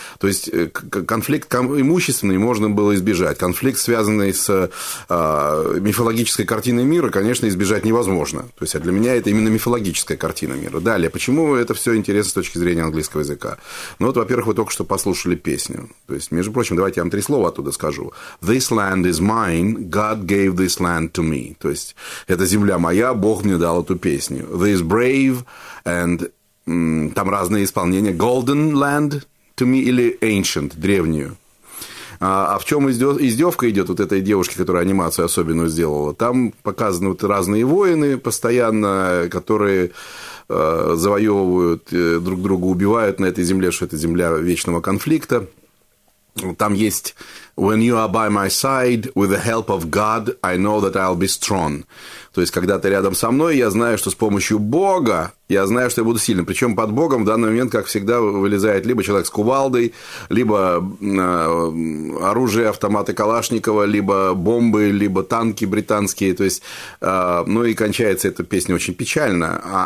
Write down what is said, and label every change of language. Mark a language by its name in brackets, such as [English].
[Russian] То есть, конфликт имущественный можно было избежать, конфликт, связанный с мифологической картиной мира, конечно, избежать невозможно. То есть, а для меня это именно мифологическая картина мира. Далее, почему это все интересно с точки зрения английского языка? Ну, вот, во-первых, вы только что послушали песню. То есть, между прочим, давайте я вам три слова оттуда скажу. [English] This land is mine, God gave this land to me. [Russian] То есть, это земля моя, Бог мне дал эту песню. [English] This brave and... [Russian] там разные исполнения. [English] Golden land to me [Russian] или [English] ancient, древнюю. [Russian] А в чем издевка идет вот этой девушки, которая анимацию особенную сделала? Там показаны вот разные воины постоянно, которые завоевывают друг друга, убивают на этой земле, что это земля вечного конфликта. Там есть [English] «When you are by my side, with the help of God, I know that I'll be strong». [Russian] То есть, когда ты рядом со мной, я знаю, что с помощью Бога, я знаю, что я буду сильным. Причем под Богом в данный момент, как всегда, вылезает либо человек с кувалдой, либо оружие, автоматы Калашникова, либо бомбы, либо танки британские. То есть, ну и кончается эта песня очень печально.